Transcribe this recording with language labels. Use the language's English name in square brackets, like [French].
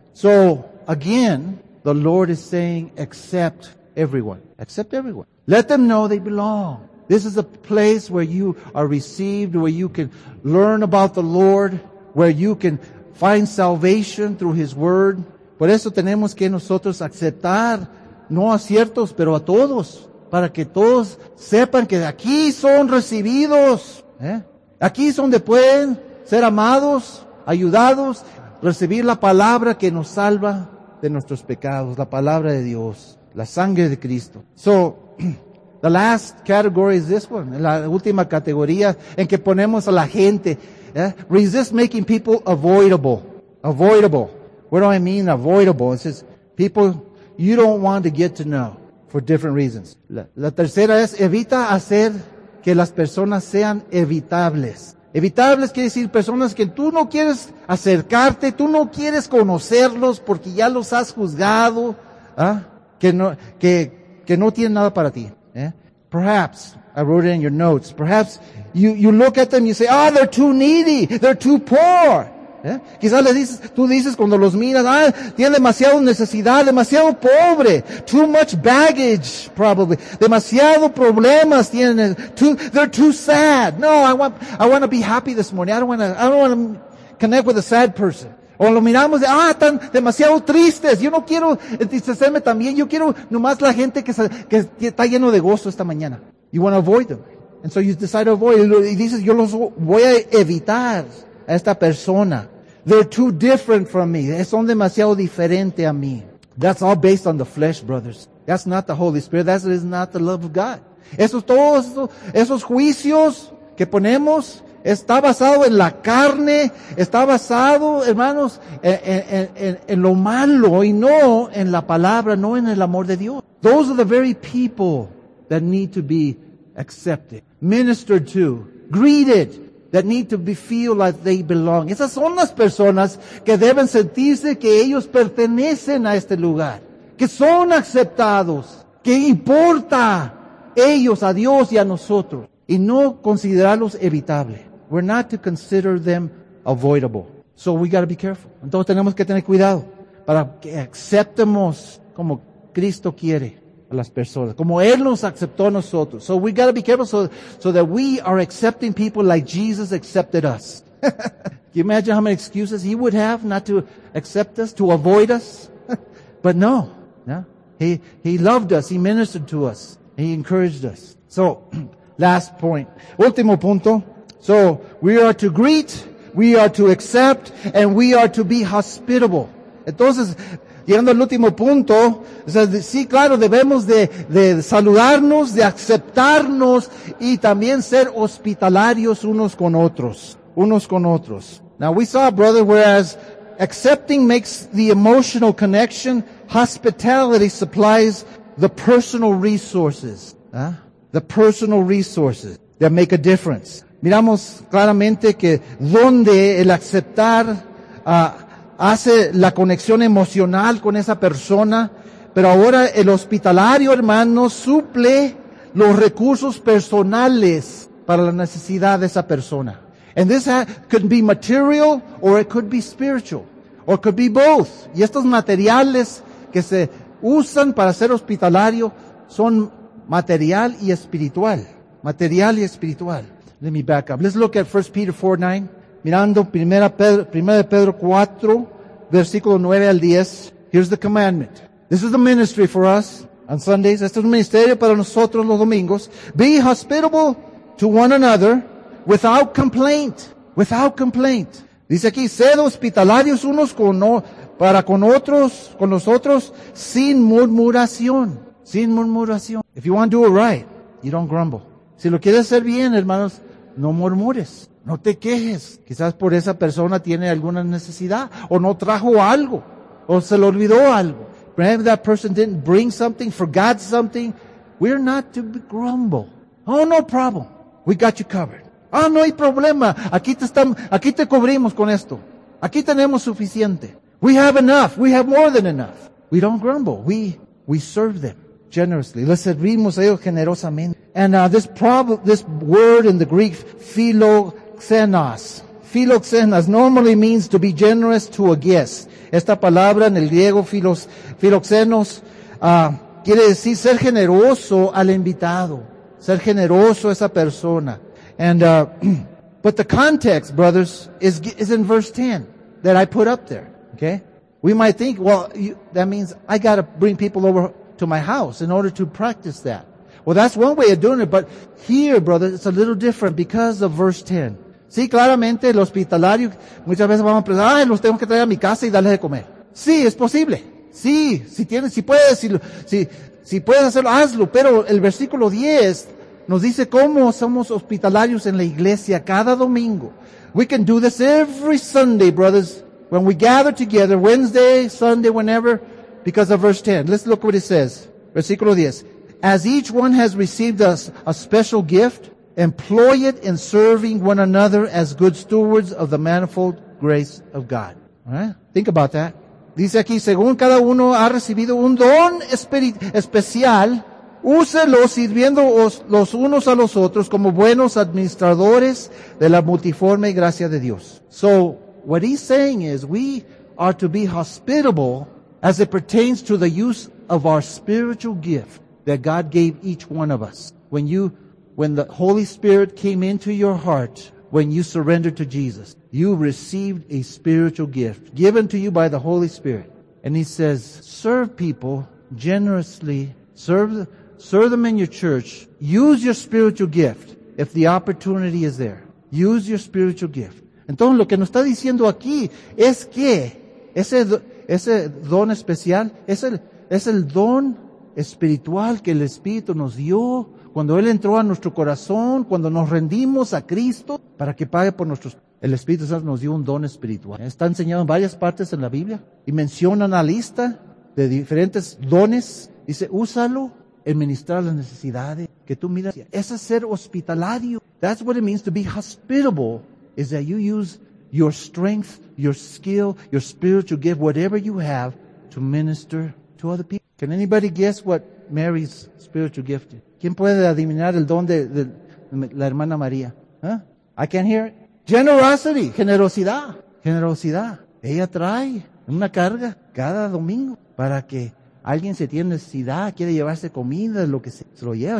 [English] So, again, the Lord is saying, accept everyone. Accept everyone. Let them know they belong. This is a place where you are received, where you can learn about the Lord, where you can find salvation through His Word. [Spanish] Por eso tenemos que nosotros aceptar, no a ciertos, pero a todos, para que todos sepan que aquí son recibidos. Aquí es donde pueden ser amados, ayudados, recibir la palabra que nos salva de nuestros pecados, la palabra de Dios, la sangre de Cristo. [English] So, the last category is this one, [Spanish] la última categoría en que ponemos a la gente. [English] Resist making people avoidable. What do I mean, avoidable? It says, people you don't want to get to know for different reasons. [Spanish] La tercera es, evita hacer que las personas sean evitables. Evitables quiere decir personas que tú no quieres acercarte, tú no quieres conocerlos porque ya los has juzgado, que no tienen nada para ti. [English] Perhaps, I wrote it in your notes, perhaps you look at them, you say, oh, they're too needy, they're too poor. [Spanish] Quizás le dices, tú dices cuando los miras, ah, tiene demasiada necesidad, demasiado pobre, [English] too much baggage, probably, [Spanish] demasiado problemas tienen, [English] they're too sad. No, I want to be happy this morning. I don't want to connect with a sad person. [Spanish] O lo miramos de, ah, están demasiado tristes. Yo no quiero entristecerme también. Yo quiero nomás la gente que está lleno de gozo esta mañana. [English] You want to avoid them. And so you decide to avoid. [Spanish] Y dices, yo los voy a evitar. A esta persona. [English] They're too different from me. [Spanish] Son demasiado diferente a mí. [English] That's all based on the flesh, brothers. That's not the Holy Spirit. That is not the love of God. [Spanish] Esos juicios que ponemos está basado en la carne, está basado, hermanos, en lo malo y no en la palabra, no en el amor de Dios. [English] Those are the very people that need to be accepted, ministered to, greeted, that need to be feel like they belong. [Spanish] Esas son las personas que deben sentirse que ellos pertenecen a este lugar, que son aceptados, que importa ellos a Dios y a nosotros, y no considerarlos evitable. [English] We're not to consider them avoidable. So we got to be careful. [Spanish] Entonces tenemos que tener cuidado para que aceptemos como Cristo quiere a las personas, como Él nos aceptó a nosotros. [English] So we got to be careful so that we are accepting people like Jesus accepted us. Can you imagine how many excuses He would have not to accept us, to avoid us? But no. Yeah. He loved us. He ministered to us. He encouraged us. So, last point. [Spanish] Último punto. [English] So, we are to greet, we are to accept, and we are to be hospitable. [Spanish] Entonces, llegando al último punto, o sea, sí, claro, debemos de saludarnos, de aceptarnos, y también ser hospitalarios unos con otros. Unos con otros. [English] Now, we saw, brother, whereas accepting makes the emotional connection, hospitality supplies the personal resources. ¿Eh? The personal resources that make a difference. [Spanish] Miramos claramente que donde el aceptar hace la conexión emocional con esa persona, pero ahora el hospitalario, hermano, suple los recursos personales para la necesidad de esa persona. [English] And this could be material or it could be spiritual or it could be both. [Spanish] Y estos materiales que se usan para ser hospitalario son material y espiritual. Material y espiritual. [English] Let me back up. Let's look at 1 Peter 4:9. [Spanish] Mirando Primera de Pedro 4, versículo 9 al 10. [English] Here's the commandment. This is the ministry for us on Sundays. [Spanish] Este es un ministerio para nosotros los domingos. [English] Be hospitable to one another without complaint. Without complaint. [Spanish] Dice aquí, sed hospitalarios unos con nosotros, sin murmuración. Sin murmuración. [English] If you want to do it right, you don't grumble. [Spanish] Si lo quieres hacer bien, hermanos, no murmures, no te quejes. Quizás por esa persona tiene alguna necesidad, o no trajo algo, o se le olvidó algo. [English] Perhaps that person didn't bring something, forgot something. We're not to grumble. Oh, no problem. We got you covered. [Spanish] Ah, no hay problema. Aquí te cubrimos con esto. Aquí tenemos suficiente. [English] We have enough. We have more than enough. We don't grumble. We serve them generously. [Spanish] Les servimos a ellos generosamente. [English] And this word in the Greek, philoxenos, normally means to be generous to a guest. [Spanish] Esta palabra en el griego, philoxenos, quiere decir ser generoso al invitado, ser generoso a esa persona. [English] And but the context, brothers, is in verse 10 that I put up there. Okay, we might think, well, that means I got to bring people over to my house in order to practice that. Well, that's one way of doing it, but here, brother, it's a little different because of verse 10. [Spanish] Sí, claramente, el hospitalario, muchas veces vamos a pensar, los tengo que traer a mi casa y darles de comer. Sí, es posible. Sí, si puedes hacerlo, hazlo. Pero el versículo 10 nos dice cómo somos hospitalarios en la iglesia cada domingo. [English] We can do this every Sunday, brothers, when we gather together, Wednesday, Sunday, whenever, because of verse 10. Let's look what it says. Versículo 10. As each one has received a special gift, employ it in serving one another as good stewards of the manifold grace of God. Right? Think about that. [Spanish] Dice aquí, según cada uno ha recibido un don especial, úselo sirviendo los unos a los otros como buenos administradores de la multiforme gracia de Dios. [English] So, what he's saying is we are to be hospitable as it pertains to the use of our spiritual gift that God gave each one of us. When the Holy Spirit came into your heart, when you surrendered to Jesus, you received a spiritual gift given to you by the Holy Spirit. And he says, serve people generously. Serve them in your church. Use your spiritual gift if the opportunity is there. Use your spiritual gift. [Spanish] Entonces, lo que nos está diciendo aquí es que ese don especial es el don espiritual que el Espíritu nos dio cuando Él entró a nuestro corazón, cuando nos rendimos a Cristo, para que pague por nuestros... El Espíritu Santo nos dio un don espiritual. Está enseñado en varias partes en la Biblia y menciona una lista de diferentes dones. Dice, úsalo en ministrar las necesidades que tú miras. Es ser hospitalario. [English] That's what it means to be hospitable, is that you use your strength, your skill, your spiritual gift, whatever you have, to minister to other people. Can anybody guess what Mary's spiritual gift is? [Spanish] ¿Quién puede adivinar el don de la hermana María? Huh? [English] I can't hear it. [Spanish] Generosity, generosidad, generosidad. Ella trae una carga cada domingo para que alguien se tiene necesidad, quiere llevarse comida, lo que sea, se lo lleva.